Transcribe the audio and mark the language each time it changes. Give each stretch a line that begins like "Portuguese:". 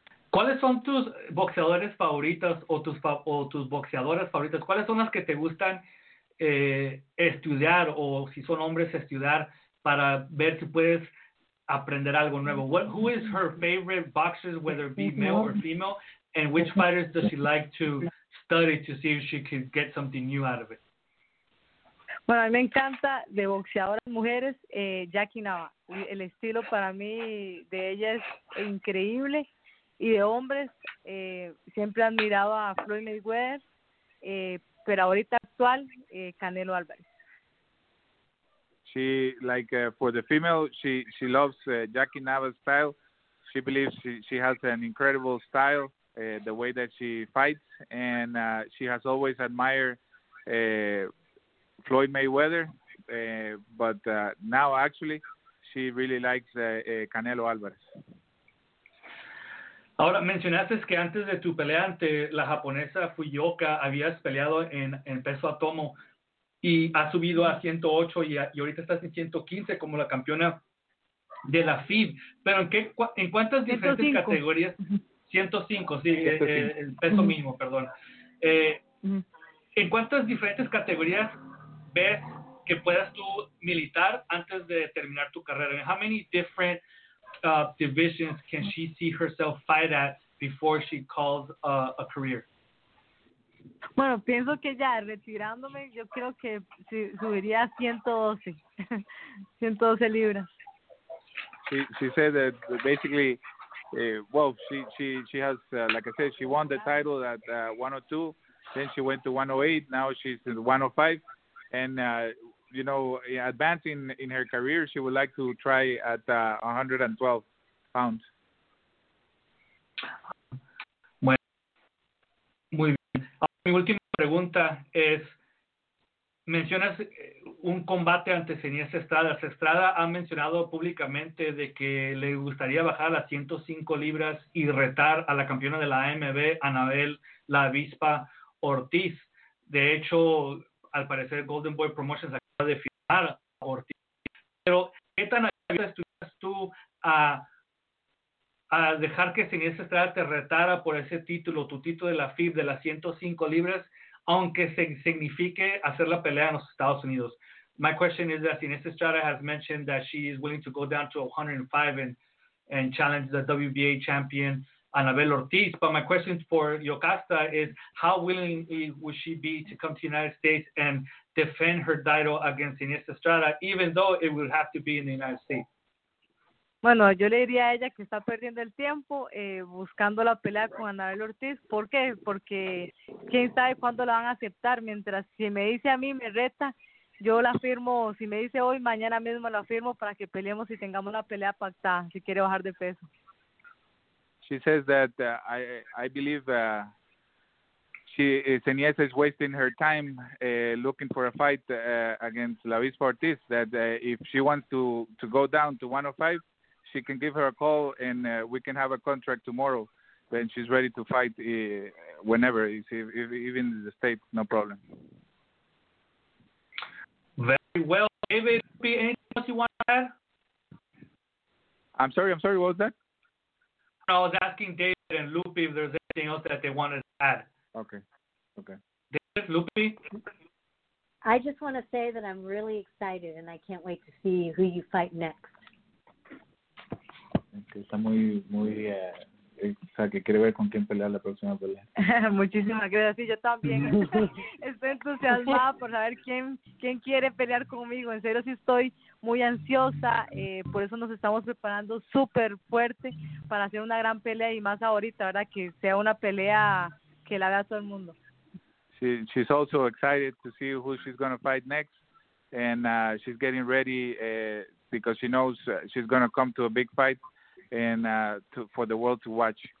Spanish: ¿Cuáles son tus boxeadores favoritas o tus boxeadoras favoritas? ¿Cuáles son las que te gustan estudiar, o si son hombres, estudiar para ver si puedes aprender algo nuevo.
English: What, who is her favorite boxer, whether it be male or female, and which fighters does she like to study to see if she can get something new out of it?
Spanish: Bueno, a mí me encanta de boxeadoras mujeres, Jackie Nava. El estilo para mí de ella es increíble. Y de hombres, siempre admiraba a Floyd Mayweather, pero ahorita actual, Canelo Álvarez.
English: She, like, for the female, she loves Jackie Nava's style. She believes she has an incredible style, the way that she fights. And she has always admired Floyd Mayweather, but now actually she really likes Canelo Álvarez.
Spanish: Ahora mencionaste que antes de tu pelea ante la japonesa Fuyoka habías peleado en peso atomo y has subido a 108 y ahorita estás en 115 como la campeona de la FIB. Pero en cuántas diferentes 105. Categorías? 105, sí, 105. El peso mínimo, perdón. ¿En cuántas diferentes categorías ves que puedas tú militar antes de terminar tu carrera?
English: How many different divisions can she see herself fight at before she calls a career?
Spanish: Bueno, pienso que ya retirándome, yo creo que subiría 112, 112 libras.
English: She said that basically, well, she has, like I said, she won the title at 102, then she went to 108, now she's in 105. And, you know, advancing in her career, she would like to try at 112 pounds.
Spanish: Bueno, muy bien. Mi última pregunta es, mencionas un combate ante Zeniesa Estrada. Estrada ha mencionado públicamente de que le gustaría bajar a las 105 libras y retar a la campeona de la AMB, Anabel La Avispa Ortiz. De hecho, al parecer, Golden Boy Promotions acaba de firmar a Ortiz. Pero, ¿qué tan abierta estuvieras tú a dejar que Zeniesa Estrada te retara por ese título, tu título de la FIB de las 105 libras, aunque signifique hacer la pelea en los Estados Unidos?
English: My question is that Zeniesa Estrada has mentioned that she is willing to go down to 105 and challenge the WBA champion, Anabel Ortiz, but my question for Yocasta is how willingly would she be to come to the United States and defend her title against Zeniesa Estrada, even though it would have to be in the United States?
Spanish: Bueno, yo le diría a ella que está perdiendo el tiempo buscando la pelea con Anabel Ortiz. ¿Por qué? Porque quién sabe cuándo la van a aceptar. Mientras, si me dice a mí, me reta, yo la firmo. Si me dice hoy, mañana mismo la firmo para que peleemos y tengamos la pelea pactada, si quiere bajar de peso.
English: She says that I believe she Zeniesa is wasting her time looking for a fight against La Avispa Ortiz. That if she wants to go down to 105, she can give her a call and we can have a contract tomorrow. Then she's ready to fight whenever, even in the state, no problem. Very well, David. Be anything else you want to add? I'm sorry. What was that? I was asking David and Lupi if there's anything else that they wanted to add. Okay. David, Lupi? I just want to say that I'm really excited and I can't wait to see who you fight next.
Spanish: Que está muy, muy, o sea, que quiere ver con quién pelear la próxima pelea. Muchísimas gracias. Sí, yo también estoy entusiasmada por saber quién quiere pelear conmigo. En serio, sí estoy muy ansiosa, por eso nos estamos preparando súper fuerte para hacer una gran pelea y más ahorita, ¿verdad? Que sea una pelea que la vea todo el mundo.
English: She's also excited to see who she's going to fight next, and she's getting ready because she knows she's going to come to a big fight and for the world to watch.